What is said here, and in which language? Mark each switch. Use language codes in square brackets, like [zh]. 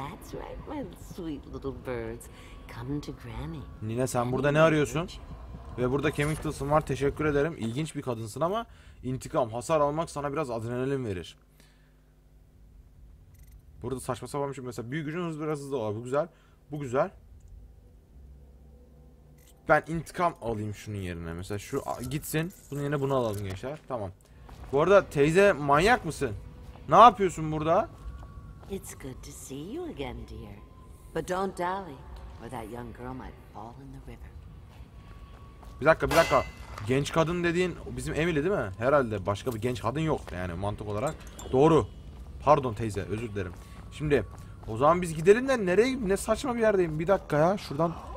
[en] That's right my sweet little birds. Come to granny. [tr] Nina sen burada ne arıyorsun? Ve burada kemik tılsım var. Teşekkür ederim. İlginç bir kadınsın ama intikam, hasar almak sana biraz adrenalin verir. Burada saçma sapan bir şey. Mesela büyük gücün hızlı biraz hızlı olur. Bu güzel. Ben intikam alayım şunun yerine. Mesela şu gitsin. Bunun yerine bunu alalım gençler. Tamam. Bu arada teyze manyak mısın? Ne yapıyorsun burada? [en] It's good to see you again, dear. But don't dally, or that young girl might fall in the river. [tr] Bir dakika. Genç kadın dediğin bizim Emily değil mi? Herhalde başka bir genç kadın yok yani mantık olarak. Doğru. Pardon teyze, özür dilerim. Şimdi o zaman biz gidelim de nereye? Ne saçma bir yerdeyim. Bir dakika ya şuradan.